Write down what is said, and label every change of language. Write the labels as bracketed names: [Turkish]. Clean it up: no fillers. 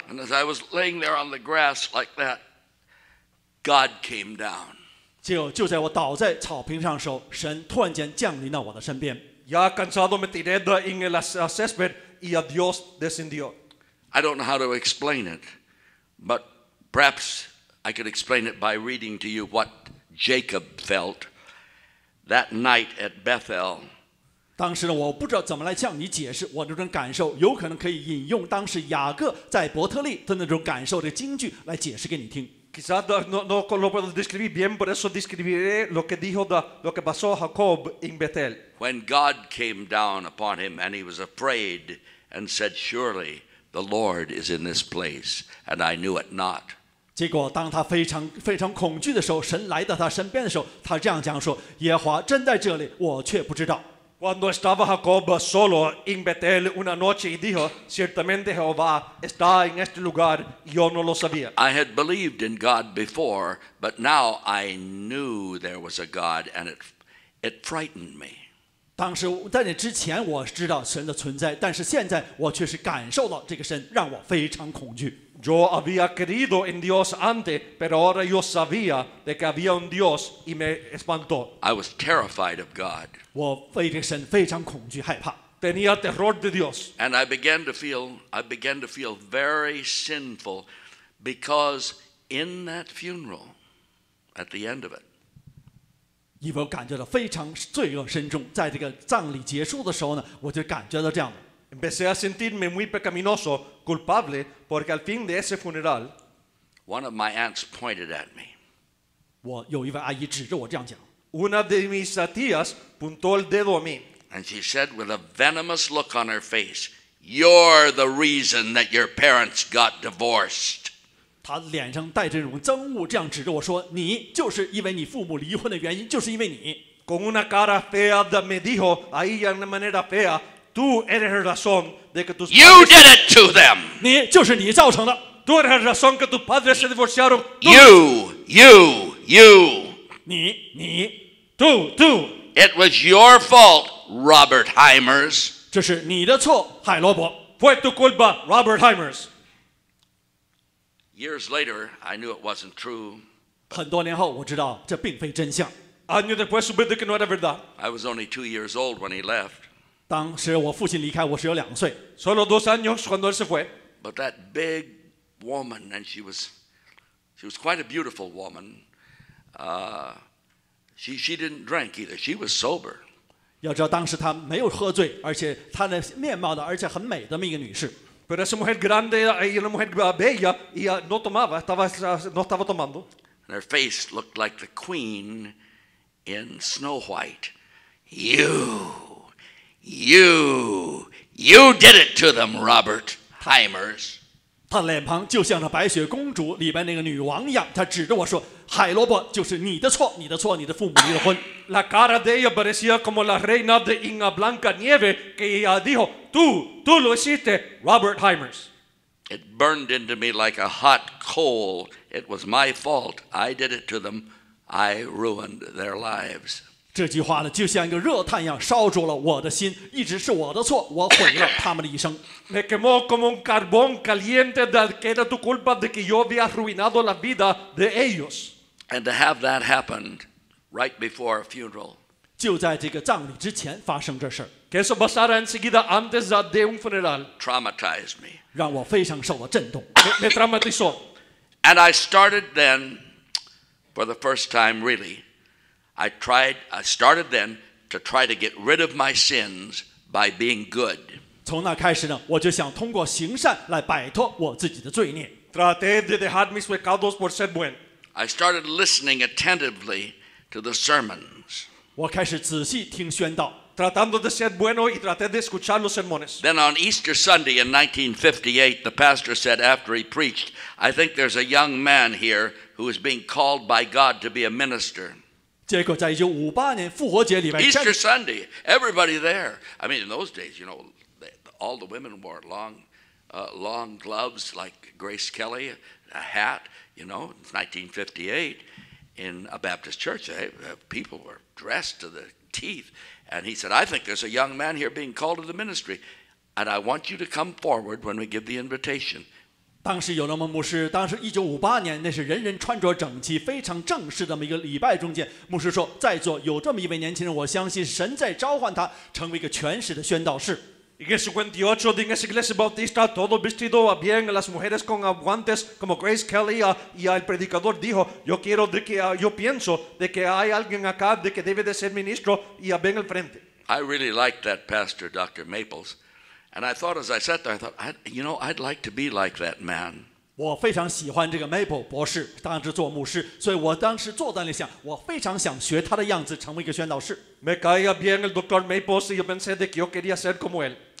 [English] And as I was laying there on the grass like that, God came down. [Chinese] 就在我倒在草坪上的时候，神突然间降临到我的身边。 [Spanish] Ya cansado me tiré en el césped. Y a Dios descendió. [English] I don't know how to explain it, but perhaps I could explain it by reading to you what Jacob felt that night at Bethel. [Chinese] 当时呢，我不知道怎么来向你解释我那种感受，有可能可以引用当时雅各在伯特利的那种感受的经句来解释给你听。 [Spanish] Quizás no lo puedo describir bien, por eso describiré lo que dijo lo que pasó a Jacob en Betel. [English] When God came down upon him and he was afraid and said, "Surely the Lord is in this place, and I knew it not." [Chinese] 结果当他非常非常恐惧的时候，神来到他身边的时候，他这样讲说：“耶和华真在这里，我却不知道。” [Spanish] Cuando estaba Jacob solo en Betel una noche y dijo, "Ciertamente Jehová está en este lugar, yo no lo sabía." [English] I had believed in God before, but now I knew there was a God, and it frightened me. [Chinese] 当时在那之前我知道神的存在，但是现在我却是感受到这个神让我非常恐惧。 [Spanish] Yo había creído en Dios antes, pero ahora yo sabía de que había un Dios y me espantó. [English] I was terrified of God. [Chinese] 我对这个神非常恐惧害怕。 [Spanish] Tenía terror de Dios. [English] And I began to feel very sinful because in that funeral, at the end of it, [Chinese] 因为我感觉到非常罪恶深重，在这个葬礼结束的时候呢，我就感觉到这样的。 [Spanish] Empecé a sentirme muy pecaminoso, culpable, porque al fin de ese funeral, [English] one of my aunts pointed at me. [Chinese] 我有一位阿姨指着我这样讲。 [Spanish] Una de mis tías puntó el dedo a mí. [English] And she said with a venomous look on her face, "You're the reason that your parents got divorced." [Chinese] 她脸上带着一种憎恶，这样指着我说：“你就是因为你父母离婚的原因，就是因为你。” [Spanish] Con una cara fea me dijo, ahí de una manera fea. Tú eres razón de que tus [English] you did it to them. [Chinese] 你就是你造成的。 [Spanish] Tú eres razón que tus padres se divorciaron. [English] You. [Chinese] 你。 [Spanish] Tú. [English] It was your fault, Robert Hymers. [Chinese] 这是你的错，海罗伯。 [Spanish] Fue tu culpa, Robert Hymers. [English] Years later, I knew it wasn't true. [Chinese] 很多年后，我知道这并非真相。 [Spanish] Años después supe que no era verdad. [English] I was only 2 years old when he left. [Chinese] 当时我父亲离开我只有两岁。 [Spanish] Solo dos años cuando él se fue. [English] But that big woman, and she was quite a beautiful woman. She didn't drink either. She was sober. [Chinese] 要知道当时她没有喝醉，而且她的面貌的，而且很美的一个女士。 [Spanish] Pero esa mujer grande y una mujer bella y no tomaba, no estaba tomando. [English] And her face looked like the queen in Snow White. You. You did it to them, Robert Hymers. [Chinese] 他脸庞就像那白雪公主里边那个女王一样，他指着我说：“海罗伯，就是你的错，你的错，你的父母离了婚。” [Spanish] La cara de ella parecía como la reina de una blanca nieve que ella dijo: "Tú lo hiciste, Robert Hymers." [English] It burned into me like a hot coal. It was my fault. I did it to them. I ruined their lives. [Chinese] 这句话呢，就像一个热炭一样烧灼了我的心，一直是我的错，我毁了他们的一生。 [Spanish] Me quemó como un carbón caliente de que era tu culpa de que yo había arruinado la vida de ellos. [English] And to have that happen right before a funeral. [Chinese] 就在这个葬礼之前发生这事。 [Spanish] Que eso pasara enseguida antes de un funeral. [English] Traumatized me. [Chinese] 让我非常受到震动。 [Spanish] Me traumatizó. [English] And I started then for the first time, really. I started then to try to get rid of my sins by being good. [Chinese] 从那开始呢，我就想通过行善来摆脱我自己的罪孽。 [Spanish] Traté de dejar mis pecados por ser bueno. [English] I started listening attentively to the sermons. [Chinese] 我开始仔细听宣道。 [Spanish] Tratando de ser bueno y traté de escuchar los sermones. [English] Then on Easter Sunday in 1958, the pastor said after he preached, I think there's a young man here who is being called by God to be a minister. [Chinese] 结果在1958年复活节里面 [English] Easter Sunday, everybody there. I mean, in those days, you know, all the women wore long gloves like Grace Kelly, a hat, you know, in 1958 in a Baptist church. People were dressed to the teeth. And he said, I think there's a young man here being called to the ministry. And I want you to come forward when we give the invitation. [Chinese] 当时有那么牧师，当时1958年，那是人人穿着整齐，非常正式的一个礼拜中间。牧师说，在座有这么一位年轻人，我相信神在召唤他成为一个全时的宣道士。 [Spanish] En el 58 en esa iglesia bautista, todo vestido bien, las mujeres con guantes como Grace Kelly, y el predicador dijo, yo pienso de que hay alguien acá de que debe de ser ministro y ven al frente. [English] I really liked that pastor, Dr. Maples. And I thought as I sat there, I thought, I'd like to be like that man. [Chinese] 我非常喜欢这个 Maple 博士，当时做牧师，所以我当时坐在那里想，我非常想学他的样子，成为一个宣道士。 [Spanish] Me caía bien el doctor Maples y pensé de que yo quería ser como él.